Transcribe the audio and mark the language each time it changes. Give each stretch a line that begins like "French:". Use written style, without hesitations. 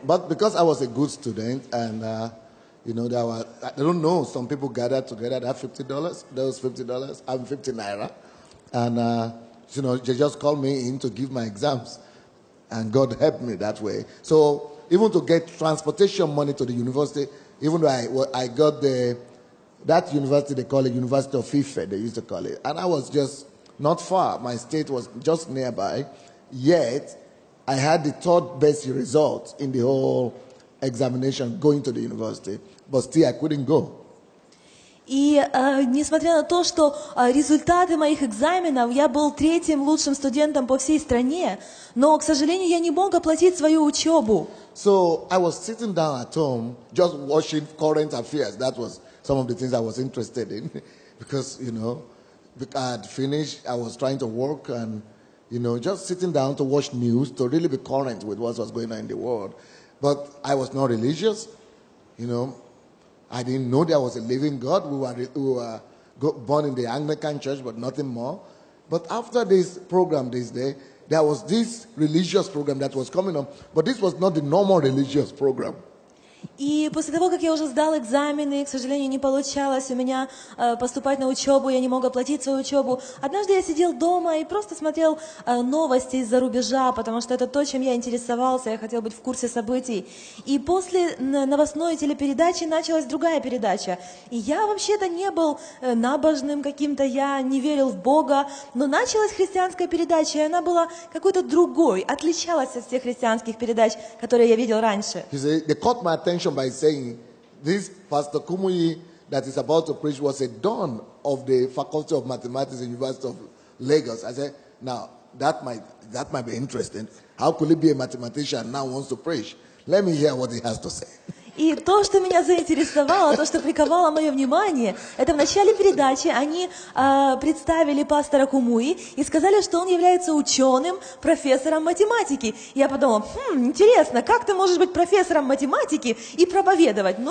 English: But because I was a good student and you know, there were, I don't know, some people gathered together that $50, those $50, I'm 50 naira. And, you know, they just called me in to give my exams. And God helped me that way. So even to get transportation money to the university, even though I got that university, they call it University of Ife, they used to call it. And I was just not far. My state was just nearby. Yet, I had the third best result in the whole examination going to the university. But still, I couldn't go.
Russian: И несмотря на то, что результаты моих экзаменов, я был третьим лучшим студентом по всей стране, но, к сожалению, я не мог оплатить свою учебу.
English: So I was sitting down at home, just watching current affairs. That was some of the things I was interested in, because you know, I had finished, I was trying to work, and you know, just sitting down to watch news to really be current with what was going on in the world. But I was not religious, you know. I didn't know there was a living God. We were born in the Anglican Church, but nothing more. But after this program this day, there was this religious program that was coming up, but this was not the normal religious program.
Russian: И после того, как я уже сдал экзамены, к сожалению, не получалось у меня поступать на учебу, я не мог оплатить свою учебу. Однажды я сидел дома и просто смотрел новости из-за рубежа, потому что это то, чем я интересовался, я хотел быть в курсе событий. И после новостной телепередачи началась другая передача. И я вообще-то не был набожным каким-то, я не верил в Бога, но началась христианская передача, и она была какой-то другой, отличалась от всех христианских передач, которые я видел раньше.
English: Attention by saying this Pastor Kumuyi that is about to preach was a don of the Faculty of Mathematics at the University of Lagos. I said, now that might be interesting. How could he be a mathematician now wants to preach? Let me hear what he has to say.
Russian: И то, что меня заинтересовало, то, что приковало мое внимание, это в начале передачи они представили пастора Кумуи и сказали, что он является ученым, профессором математики. Я подумала, интересно, как ты можешь быть профессором математики и проповедовать?